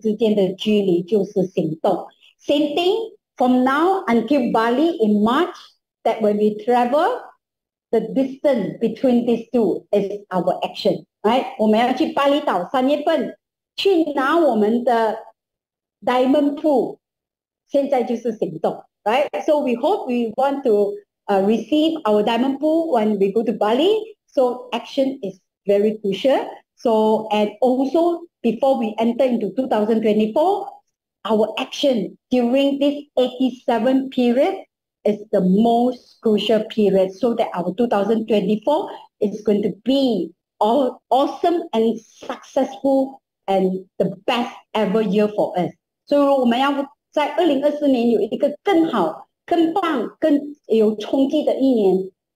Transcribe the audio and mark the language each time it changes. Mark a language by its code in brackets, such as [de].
[zh] 所以在我们的梦想跟现实之间的距离就是行动. [en] Same thing, from now until Bali in March, that when we travel, the distance between these two is our action, right? [zh] 我们要去巴厘岛三月份,去拿我们的 diamond pool, 现在就是行动, right? [en] So we hope we want to receive our diamond pool when we go to Bali, so action is very crucial. So, and also before we enter into 2024, our action during this 87 period is the most crucial period so that our 2024 is going to be all awesome and successful and the best ever year for us. [zh] So, 我们要在2024年有一个更好、更棒、更有冲击的一年。